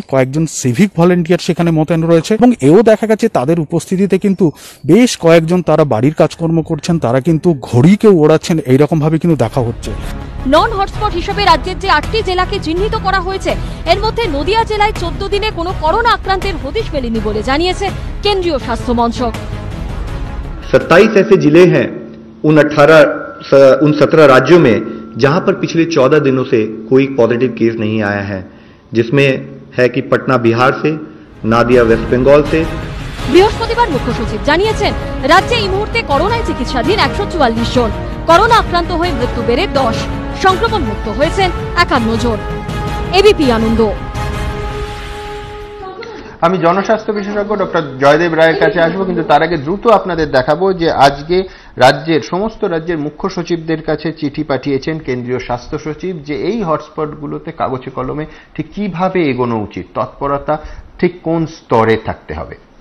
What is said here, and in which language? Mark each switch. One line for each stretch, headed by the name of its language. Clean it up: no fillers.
Bangla: কয়েকজন civic volunteer সেখানে মোতায়েন রয়েছে এবং এও দেখা গেছে তাদের উপস্থিতিতে কিন্তু বেশ কয়েকজন তারা বাড়ির কাজকর্ম করছেন, তারা কিন্তু ঘড়িকেও ওড়াচ্ছেন, এইরকমভাবে কিন্তু দেখা হচ্ছে। নন হটস্পট হিসেবে রাজ্যের যে 8টি জেলাকে চিহ্নিত করা হয়েছে এর মধ্যে নদিয়া জেলায় 14 দিনে কোনো করোনা আক্রান্তের হদিশ মেলেনি বলে জানিয়েছে কেন্দ্রীয় স্বাস্থ্য মন্ত্রক।
Hindi: 27 ऐसे जिले हैं उन 18 उन 17 राज्यों में जहां पर पिछले 14 दिनों से कोई पॉजिटिव केस नहीं आया है, जिसमें है कि पटना बिहार से, नादिया वेस्ट बंगाल से।
Bangla: বৃহস্পতিবার মুখ্য সচিব জানিয়েছেন, রাজ্যে এই মুহূর্তে করোনায় চিকিৎসাধীন 144 জন, করোনা আক্রান্ত হয়ে মৃত্যু বেড়ে 10, সংক্রমণ মুক্ত হয়েছেন 51 জন। এবিপি আনন্দ। আমি জনস্বাস্থ্য বিশেষজ্ঞ ডক্টর জয়দেব রায়ের কাছে আসব, কিন্তু তার আগে দ্রুত আপনাদের দেখাবো যে আজকে রাজ্যের সমস্ত রাজ্যের মুখ্য সচিবদের কাছে চিঠি পাঠিয়েছেন কেন্দ্রীয় স্বাস্থ্য সচিব, যে এই হটস্পটগুলোতে কাগজে কলমে ঠিক কিভাবে এগোনো উচিত, তৎপরতা ঠিক কোন স্তরে থাকতে হবে।